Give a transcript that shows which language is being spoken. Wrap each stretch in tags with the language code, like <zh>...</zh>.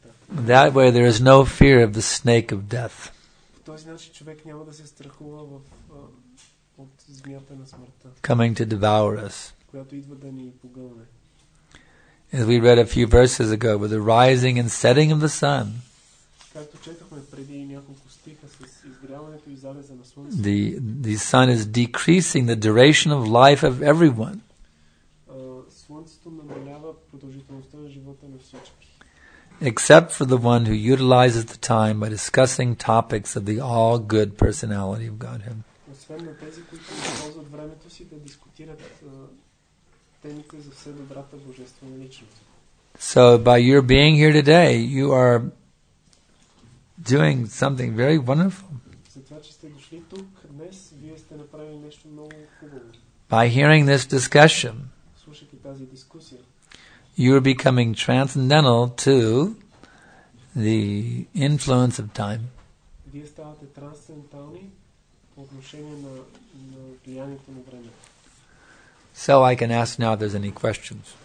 <en>That way there is no fear of the snake of death.</en> <bg>Този начин човек няма да се страхува от змията на смъртта.</bg> <en>Coming to devour us.</en> <bg>Която идва да ни погълне.</bg> <en>As we read a few verses ago, with the rising and setting of the sun.</en> <bg>Както четохме преди няколко стиха с изгряването и залеза на слънцето.</bg> <en>The sun is decreasing the duration of life of everyone.</en> <bg>Слънцето намалява продължителността на живота на всички.</bg> <en>Except for the one who utilizes the time by discussing topics of the all good personality of Godhead.</en> <bg>Освен на тези, които използват времето си да дискутират темите за все добрата божествена личност.</bg> <en>So by your being here today, you are doing something very wonderful.</en> <bg>Затова, че сте дошли тук днес, вие сте направили нещо много хубаво.</bg> <en>By hearing this discussion,</en> <bg>слушайки тази дискусия,</bg> <en>you are becoming transcendental to the influence of time.</en> <bg>Вие ставате трансцендентални по отношение на влиянието на време.</bg> <en>So I can ask now if there's any questions.</en>